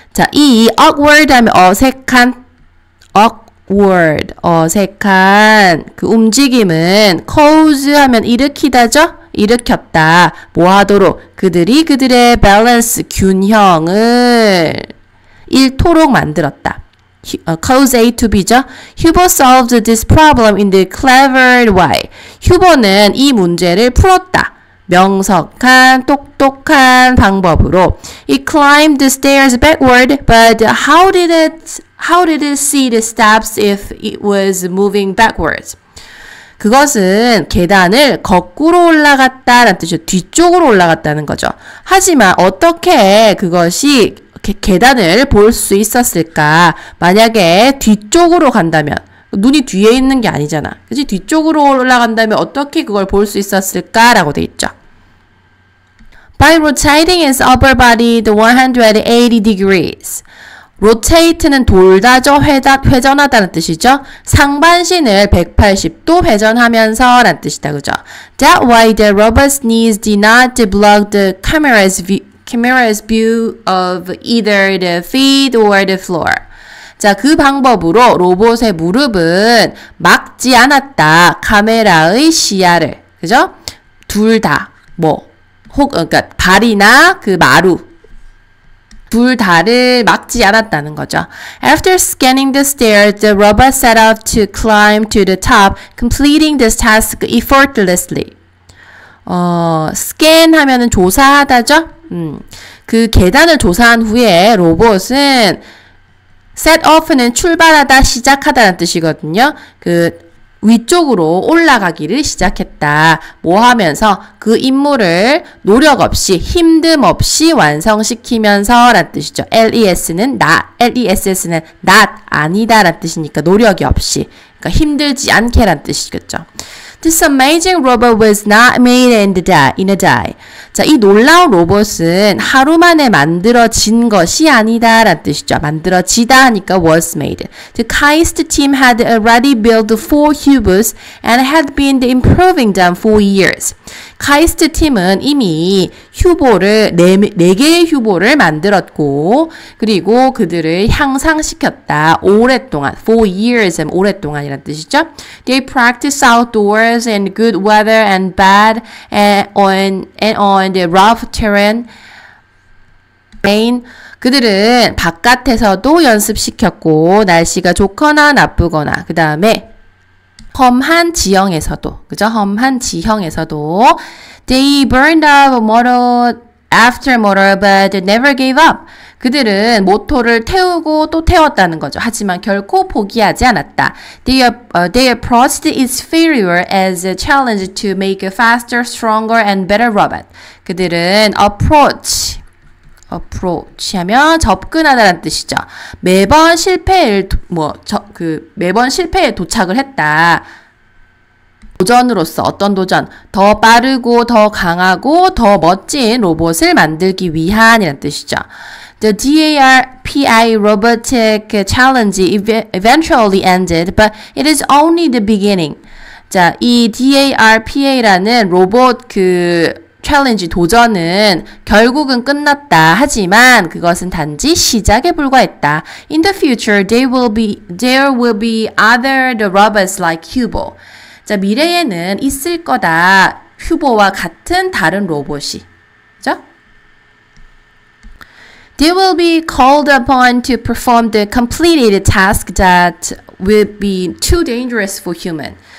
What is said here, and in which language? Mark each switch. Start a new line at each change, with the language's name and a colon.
Korean: 자, 이 awkward 하면 어색한 그 움직임은 cause 하면 일으키다죠? 일으켰다. 뭐 하도록 그들이 그들의 balance 균형을 잃도록 만들었다.
English: Cause A to B죠. Hubo solved this problem in the clever way.
Korean: Hubo는 이 문제를 풀었다. 명석한 똑똑한 방법으로.
English: He climbed the stairs backward, but how did it see the steps if it was moving backwards?
Korean: 그것은 계단을 거꾸로 올라갔다라는 뜻이죠. 뒤쪽으로 올라갔다는 거죠. 하지만 어떻게 그것이 계단을 볼 수 있었을까? 만약에 뒤쪽으로 간다면, 눈이 뒤에 있는 게 아니잖아. 그치? 뒤쪽으로 올라간다면 어떻게 그걸 볼 수 있었을까? 라고 돼 있죠.
English: By rotating his upper body the 180 degrees.
Korean: Rotate는 돌다죠. 회전하다는 뜻이죠. 상반신을 180도 회전하면서 라는 뜻이다. 그죠?
English: That why the robot's knees did not block the camera's view of either the feet or the floor.
Korean: 자, 그 방법으로 로봇의 무릎은 막지 않았다. 카메라의 시야를. 그죠? 둘 다. 뭐. 그러니까 발이나 그 마루. 둘 다를 막지 않았다는 거죠.
English: After scanning the stairs, the robot set off to climb to the top, completing this task effortlessly.
Korean: 스캔 하면은 조사하다죠? 그 계단을 조사한 후에 로봇은
English: set off
Korean: 는 출발하다, 시작하다라는 뜻이거든요. 그 위쪽으로 올라가기를 시작했다. 뭐 하면서 그 임무를 노력 없이, 힘듦 없이 완성시키면서란 뜻이죠. LESS는 not, LESS는 not, 아니다란 뜻이니까 노력이 없이. 그러니까 힘들지 않게란 뜻이겠죠.
English: This amazing robot was not made in a day.
Korean: 자, 이 놀라운 로봇은 하루 만에 만들어진 것이 아니다 라는 뜻이죠. 만들어지다 하니까
English: was made. The KAIST team had already built 4 Hubos and had been improving them for years.
Korean: KAIST team은 이미 휴보를, 4개의 휴보를 만들었고, 그리고 그들을 향상시켰다. 오랫동안,
English: 4 years,
Korean: 오랫동안이라는 뜻이죠.
English: They practice outdoors and good weather and bad and on the rough terrain rain.
Korean: 그들은 바깥에서도 연습시켰고 날씨가 좋거나 나쁘거나 그 다음에 험한 지형에서도 그죠? 험한 지형에서도
English: they burned up motor after motor but they never gave up.
Korean: 그들은 모터를 태우고 또 태웠다는 거죠. 하지만 결코 포기하지 않았다.
English: They approached its failure as a challenge to make a faster, stronger, and better robot.
Korean: 그들은 approach 하면 접근하다라는 뜻이죠. 매번 실패에 도착을 했다. 도전으로서 어떤 도전? 더 빠르고 더 강하고 더 멋진 로봇을 만들기 위한이라는 뜻이죠.
English: The DARPI Robotic Challenge eventually ended, but it is only the beginning.
Korean: 자, 이 DARPA라는 로봇 그 챌린지 도전은 결국은 끝났다. 하지만 그것은 단지 시작에 불과했다.
English: In the future, there will be other robots like Hubo.
Korean: 자, 미래에는 있을 거다. 휴보와 같은 다른 로봇이. 그죠?
English: They will be called upon to perform the completed task that will be too dangerous for human.